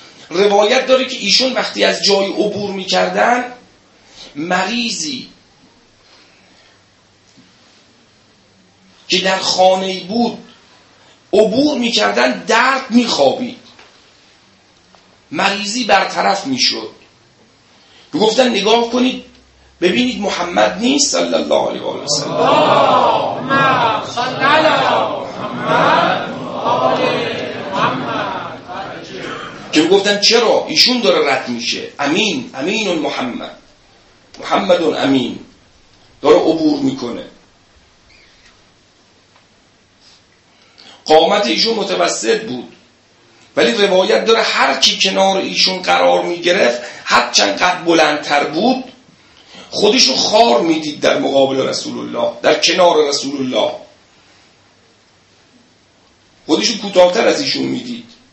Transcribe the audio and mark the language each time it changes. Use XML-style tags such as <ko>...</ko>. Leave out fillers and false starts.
<fa>روایت داره که ایشون وقتی از جای عبور میکردن، مریضی که در خانه بود عبور میکردن، درد میخوابید، مریضی برطرف میشد. گفتن نگاه کنید ببینید محمد نیست</fa> <ar>صلی الله علیه و سلم. اللهم صل علی محمد آل محمد.</ar> <fa>که گفتن چرا ایشون داره رد میشه؟ امین، امین محمد، محمد امین داره عبور میکنه. قامت ایشون متوسط بود، ولی روایت داره هر کی کنار ایشون قرار میگرفت، هرچند قد بلندتر بود، خودشو خار میدید در مقابل رسول الله، در کنار رسول الله خودشو کوتاه‌تر از ایشون میدید.</fa>